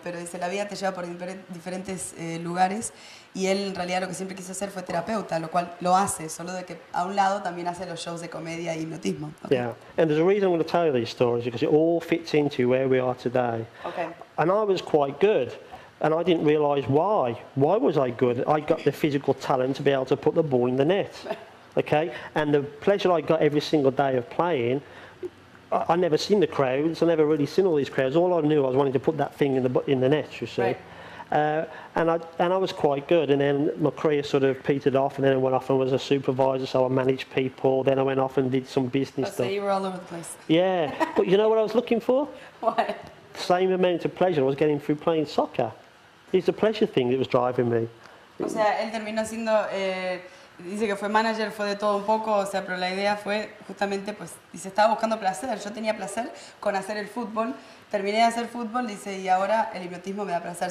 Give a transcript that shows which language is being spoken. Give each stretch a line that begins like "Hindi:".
Spanish: Pero dice, la vida te lleva por diferentes lugares. Y él, en realidad, lo que siempre quiso hacer fue terapeuta, lo cual lo hace, solo de que a un lado también hace los shows de comedia y hipnotismo.
English: Okay. Yeah, and there's a reason I'm going to tell you these stories, because it all fits into where we are today. Okay. And I was quite good, and I didn't realize why. Why was I good? I got the physical talent to be able to put the ball in the net. Okay? And the pleasure I got every single day of playing, I never seen the crowds, I never really seen all these crowds. All I knew, I was wanting to put that thing in the net, you see. Right. And I was quite good, and then my career sort of petered off, and then I went off and was a supervisor, so I managed people, then I went off and did some business stuff. So you were all over the place. Yeah, but you know what I was looking for? What? Same amount of pleasure I was getting through playing soccer. It's a pleasure thing that was driving me.
Spanish: O sea, él terminó siendo, dice que fue manager, fue de todo un poco, o sea, pero la idea fue justamente, pues, dice, estaba buscando placer, yo tenía placer con hacer el fútbol. Terminé de hacer fútbol, dice, y ahora el hipnotismo me da placer.